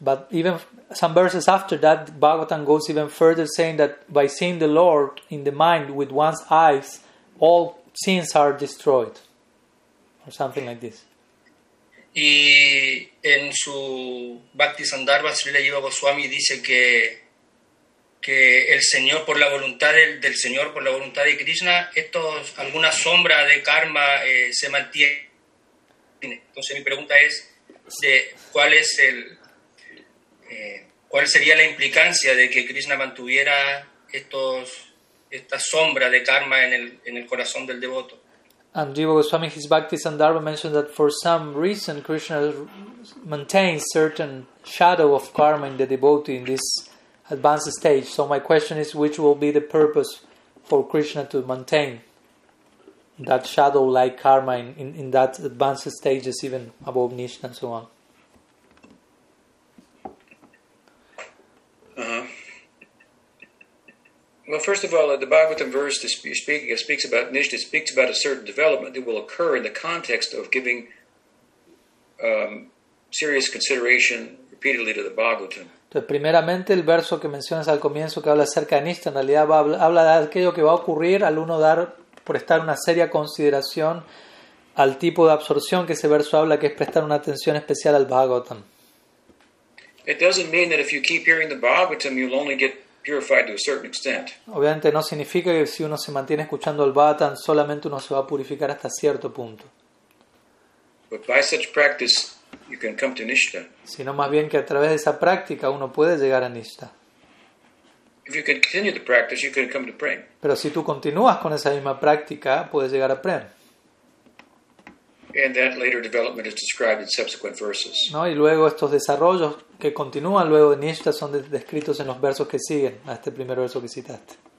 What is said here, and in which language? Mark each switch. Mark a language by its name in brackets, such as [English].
[English] But even some verses after that, Bhagavatam goes even further, saying that by seeing the Lord in the mind with one's eyes, all sins are destroyed, or something like this. [Spanish] Y en su Bhakti Sandarbha, Srila Jiva Goswami dice que el Señor, por la voluntad del Señor, por la voluntad de Krishna, estos, alguna sombra de karma se mantiene. Entonces mi pregunta es, de ¿cuál es el, cuál sería la implicancia de que Krishna mantuviera estos, esta sombra de karma en el corazón del devoto? [English] And Jiva Goswami, his Bhakti Sandarbha mentioned that for some reason Krishna maintains certain shadow of karma in the devotee in this advanced stage. So my question is, which will be the purpose for Krishna to maintain that shadow-like karma in that advanced stages, even above Nishtha and so on? Well, first of all, the Bhagavatam verse speaks about a certain development that will occur in the context of giving serious consideration repeatedly to the Bhagavatam. [Spanish] Entonces, primeramente, el verso que mencionas al comienzo, que habla acerca de Nishtha, en realidad habla de aquello que va a ocurrir al uno dar, prestar una seria consideración al tipo de absorción que ese verso habla, que es prestar una atención especial al Bhagavatam. [English] It doesn't mean that if you keep hearing the Bhagavatam, you'll only get purified to a certain extent. [Spanish] Obviamente no significa que si uno se mantiene escuchando el Bhagavatam, solamente uno se va a purificar hasta cierto punto. [English] But by such practice, you can come to Nishtha. [Spanish] Sino más bien que a través de esa práctica uno puede llegar a Nishtha. [English] If you can continue the practice, you can come to Prem. [Spanish] Pero si tú continúas con esa misma práctica, puedes llegar a Prem. [English] And that later development is described in subsequent verses. [Spanish] No, y luego estos desarrollos que continúan luego de Nishtha son descritos en los versos que siguen a este primer verso que citaste.